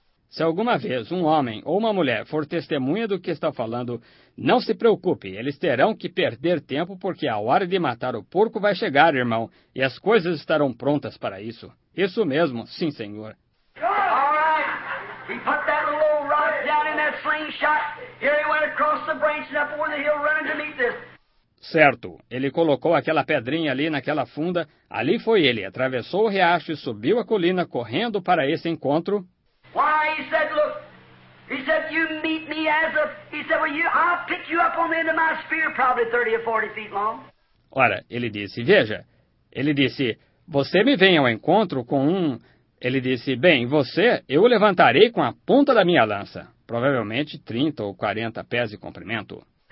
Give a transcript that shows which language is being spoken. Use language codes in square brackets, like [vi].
[pt] Se alguma vez um homem ou uma mulher for testemunha do que está falando, não se preocupe, eles terão que perder tempo porque a hora de matar o porco vai chegar, irmão, e as coisas estarão prontas para isso. Isso mesmo, sim, senhor. [en] All right. He put that little rock down in that slingshot. Here he went across the branch and up over the hill running to meet this. [pt] Certo, ele colocou aquela pedrinha ali naquela funda. Ali foi ele, atravessou o riacho e subiu a colina correndo para esse encontro. [en] Why, he said, look, he said, you meet me as a, he said, well, you, I'll pick you up on the end of my spear, probably 30 or 40 feet long. [pt] Ora, ele disse, veja, ele disse, você me vem ao encontro com um, ele disse, bem, você, eu o levantarei com a ponta da minha lança. provavelmente 30 ou 40 pés de comprimento.